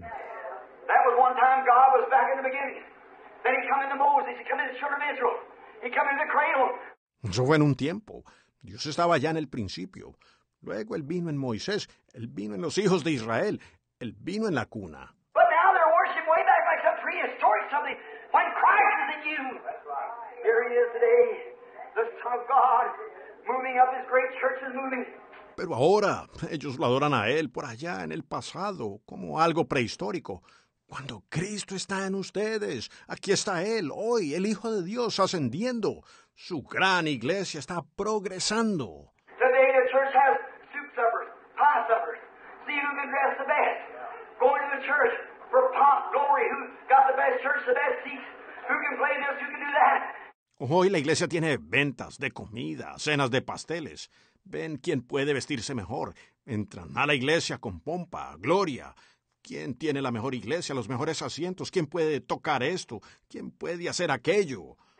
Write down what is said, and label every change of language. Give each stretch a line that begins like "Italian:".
English: That was one time God was back in the beginning. Then he'd come into Moses, he'd come into the children of Israel, he'd come into the cradle.
Spanish: Eso fue en un tiempo. Dios estaba allá en el principio. Luego él vino en Moisés, él vino en los hijos de Israel, él vino en la cuna.
English: But now they're worshiping way back like some prehistoric something when Christ is in you. Here he is today, the Son of God, moving up his great church and moving.
Spanish: Pero ahora ellos lo adoran a él por allá en el pasado, como algo prehistórico. Cuando Cristo está en ustedes, aquí está Él, hoy, el Hijo de Dios, ascendiendo. Su gran iglesia está progresando.
English: Today the church has soup suppers, pie suppers. See who can dress the best. Going to the church for pomp, glory. Who got the best church, the best seats. Who can play this, who can do that.
Spanish: Hoy la iglesia tiene ventas de comida, cenas de pasteles. Ven quién puede vestirse mejor. Entran a la iglesia con pompa, gloria. ¿Quién tiene la mejor iglesia, los mejores asientos? ¿Quién puede tocar esto? ¿Quién puede hacer aquello?